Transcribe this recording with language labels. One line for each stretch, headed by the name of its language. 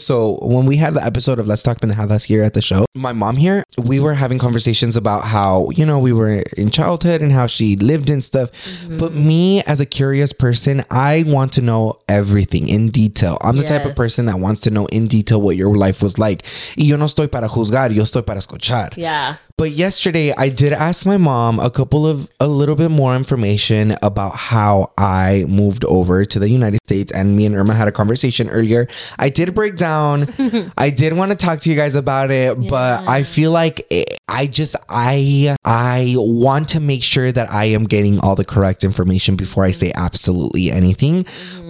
English: So when we had the episode of Let's Talk Pendejadas here at the show, my mom here, we were having conversations about how, you know, we were in childhood and how she lived and stuff. Mm-hmm. But me, as a curious person, I want to know everything in detail. I'm the type of person that wants to know in detail what your life was like.
Spanish: Y yo no estoy para juzgar, yo estoy para escuchar.
English: Yeah. But yesterday I did ask my mom a little bit more information about how I moved over to the United States, and me and Irma had a conversation earlier. I did break down. I did want to talk to you guys about it, but I feel like I want to make sure that I am getting all the correct information before I say absolutely anything. Mm-hmm.